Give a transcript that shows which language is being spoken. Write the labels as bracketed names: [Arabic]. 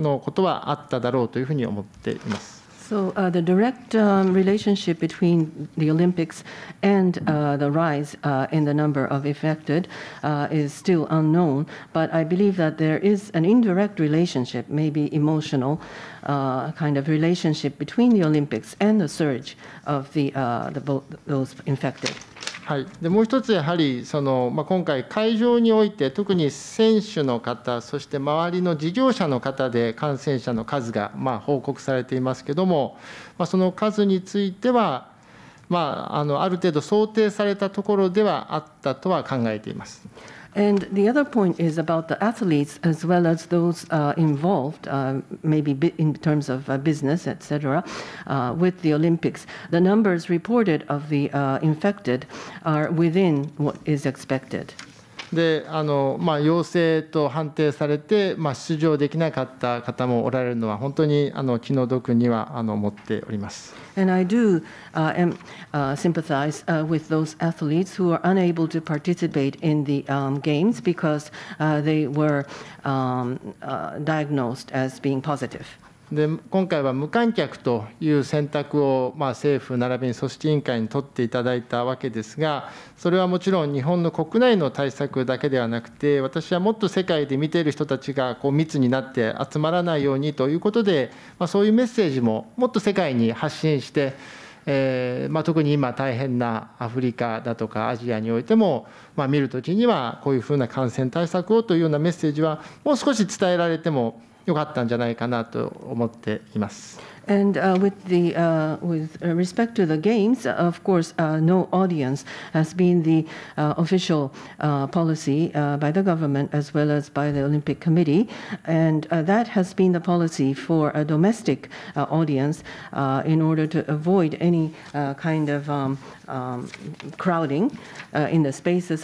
[Japanese] あ、訳す。訳したい質問、質問ありますか？あ、あの、分かればいいのかな。はい。はい。あ、ありがとうございました。オリンピックによる、東京の流行の直接的影響については、まだちょっとよくわからないというのが正確なところだと思いますが、間接的な影響、気持ちの上での影響というのは一定のことはあっただろうというふうに思っています。 [English] So the direct relationship between the Olympics and the rise in the number of infected is still unknown, but I believe that there is an indirect relationship, maybe emotional kind of relationship between the Olympics and the surge of those infected. [Japanese] はい。で、もう一つやはり、今回会場において、特に選手の方、そして周りの事業者の方で感染者の数が報告されていますけども、その数については、まあ、あの、ある程度想定されたところではあったとは考えています。 [English] And the other point is about the athletes as well as those involved, maybe in terms of business, etc., with the Olympics. The numbers reported of the infected are within what is expected. [Japanese] で、あの、まあ、陽性と判定されて、まあ、出場できなかった方もおられるのは本当にあの気の毒にはあの思っております。 [English] And I do sympathize with those athletes who are unable to participate in the games because they were diagnosed as being positive. [Japanese] で、今回は無観客という選択を、まあ、政府並びに組織委員会に取っていただいたわけですが、それはもちろん日本の国内の対策だけではなくて、私はもっと世界で見ている人たちがこう密になって集まらないようにということで、まあ、そういうメッセージももっと世界に発信して、まあ、特に今大変なアフリカだとかアジアにおいても、まあ、見るときにはこういうふうな感染対策をというようなメッセージはもう少し伝えられてもよかったんじゃないかなと思っています。 [English] And with respect to the games, of course, no audience has been the official policy by the government as well as by the Olympic Committee. And that has been the policy for a domestic audience in order to avoid any kind of crowding in the spaces.